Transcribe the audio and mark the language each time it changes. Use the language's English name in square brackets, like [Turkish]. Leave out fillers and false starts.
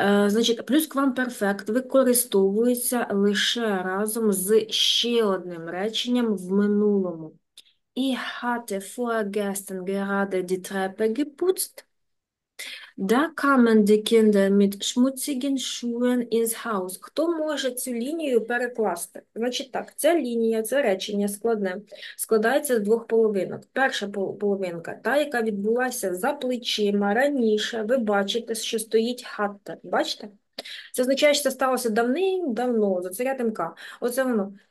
[Ukrainian] Значить, плюсквамперфект використовується лише разом з ще одним реченням в минулому. [German] Ich hatte vorgestern gerade die Treppe geputzt. Da kamen die Kinder mit schmutzigen Schuhen ins Haus. [Ukrainian] Хто може цю лінію перекласти? Значить так, ця лінія, це речення складне, складається з двох половинок. Перша половинка, та, яка відбулася за плечима раніше, ви бачите, що стоїть хатта. Бачите? Це означає, що це сталося давним-давно, за царя Тимка. Оце воно.